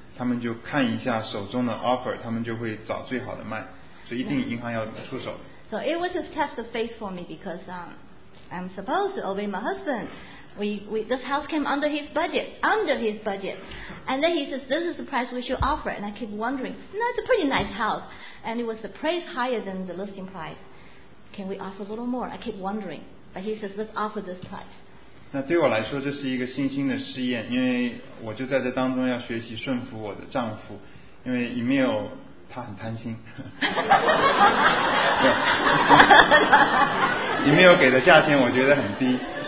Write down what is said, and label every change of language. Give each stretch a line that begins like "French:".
Chinese: 他们就看一下手中的 offer， 他们就会找最好的卖，所以一定银行要出手。
English: So it was a test of faith for me because I'm supposed to obey my husband. We this house came under his budget, and then he says this is the price we should offer. And I keep wondering, no, it's a pretty nice house, and it was the price higher than the listing price. Can we offer a little more? I keep wondering, but he says let's offer this price.
Chinese: 那对我来说这是一个信心的试验，因为我就在这当中要学习顺服我的丈夫，因为 Emil 他很贪心Emil 给的价钱我觉得很低